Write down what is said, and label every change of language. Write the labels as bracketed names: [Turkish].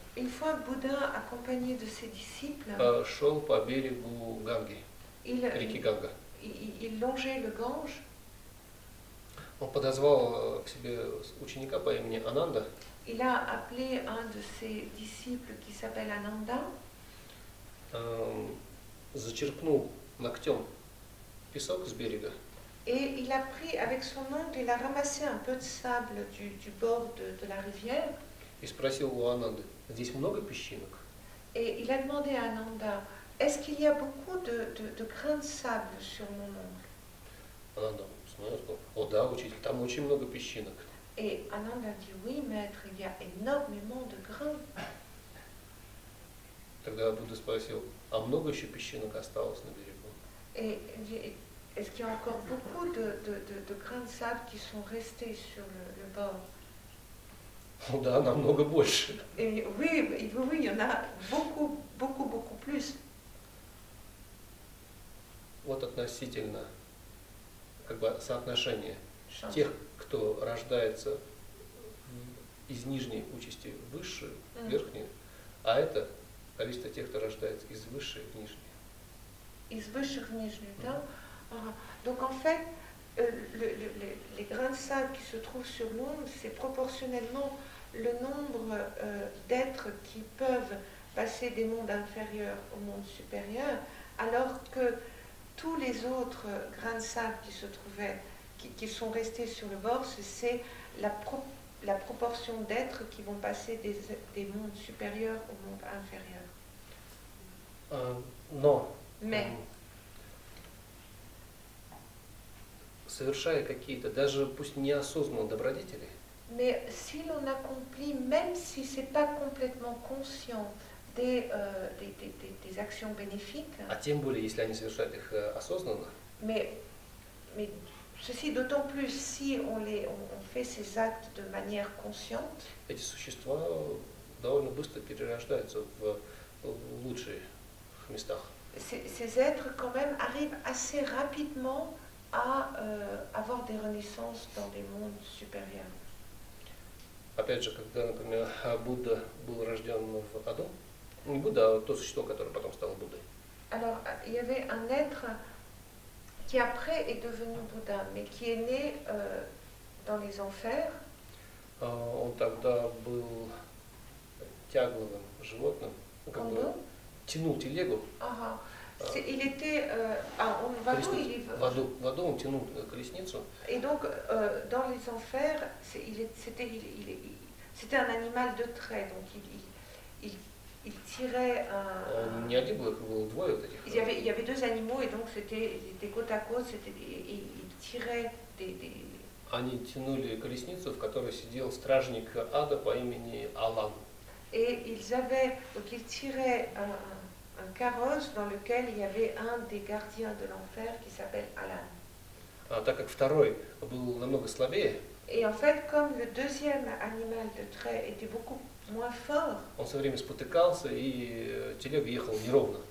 [French] Une fois, Buddha, accompagné de ses disciples, [Russian] шел по берегу Ганги, реки Ганга. [French] Il longeait le Gange. [Russian] Он подозвал к себе ученика по имени Ананда. [French] Il a appelé un de ses disciples qui s'appelle Ananda. [Russian] Зачерпнул ногтем песок с берега. [French] Et il a pris avec son ongle, il a ramassé un peu de sable du bord de la rivière. [Russian] И спросил у Ананды, здесь много песчинок? [French] Et il a demandé à Ananda, est-ce qu'il y a beaucoup de grains de sable sur mon ongle? [Russian] Ананда сказал, о да, учитель, там очень много песчинок. [French] Et Ananda dit, oui, maître, il y a énormément de grains. [Russian] Тогда Будда спросил, а много еще песчинок осталось на берегу? [French] Est-ce qu'il y a encore beaucoup de grains de sable qui sont restés sur le bord? [Russian] Oh, да, намного больше. [French] Et oui, il y en a beaucoup, beaucoup, beaucoup plus. [Russian] Вот относительно, как бы соотношение Chance. Тех, кто рождается из нижней участи в высшую, в верхнюю, а это количество тех, кто рождается из высшей в нижней. Из высших в нижнюю, да? [French] Donc en fait, les grains de sable qui se trouvent sur l'ombre, c'est proportionnellement le nombre d'êtres qui peuvent passer des mondes inférieurs au monde supérieur, alors que tous les autres grains de sable qui se trouvaient, qui sont restés sur le bord, c'est la proportion d'êtres qui vont passer des mondes supérieurs au monde inférieur. Non. Mais. [Russian] Совершая какие-то, даже пусть неосознанно добродетели. [French] Mais si l'on accomplit, même si c'est pas complètement conscient des actions bénéfiques. [Russian] А тем более, если они совершают их осознанно. [French] Mais ceci d'autant plus si on fait ces actes de manière consciente. [Russian] Эти существа довольно быстро перерождаются в лучшие места. [French] Ces êtres quand même arrivent assez rapidement. Avoir des renaissances dans des mondes supérieurs. [Russian] Опять же, когда, например, Будда был рождён в Аду, не Будда, а то существо, которое потом стало Буддой. [French] Alors, il y avait un être qui après est devenu Bouddha, mais qui est né dans les enfers. [Russian] Он тогда был тягловым животным, как бы тянул телегу. [French] Ага. Il était en vadu, il est... [Russian] в аду он тянул колесницу. [French] Et donc dans les enfers, c'était un animal de trait, donc il tirait un. [Russian] Не один был, было двое вот этих. [French] Il y avait deux animaux et donc c'était côte à côte, il tirait [Russian] Они тянули колесницу, в которой сидел стражник ада по имени Алан. [French] Et ils avaient donc ils tiraient un carrosse dans lequel il y avait un des gardiens de l'enfer qui s'appelle Alan. [Russian] Так как второй был намного слабее. [French] Et en fait, comme le deuxième animal de trait était beaucoup moins fort. [Russian] Он все время спотыкался и телега ехала неровно.